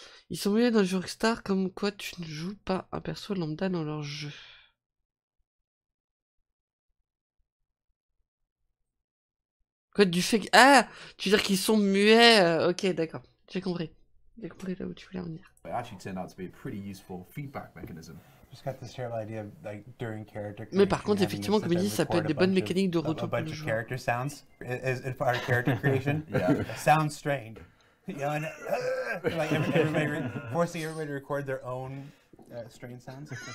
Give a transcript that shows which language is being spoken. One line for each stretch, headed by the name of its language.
French: Ils sont mieux dans le jeu Rockstar, comme quoi tu ne joues pas un perso lambda dans leur jeu. Quoi, du fait que... Ah, tu veux dire qu'ils sont muets, ok, d'accord, j'ai compris là où tu voulais en venir.
English: It actually turned out to be a pretty useful feedback mechanism. Just got this terrible idea of, like, during character.
French: Mais par contre, effectivement, comme il dit, ça peut être des bonnes mécaniques de retour pour le joueur.
English: Character sounds is part of character creation. Yeah, sounds strained. You know, and like everybody forcing everybody to record their own strained sounds.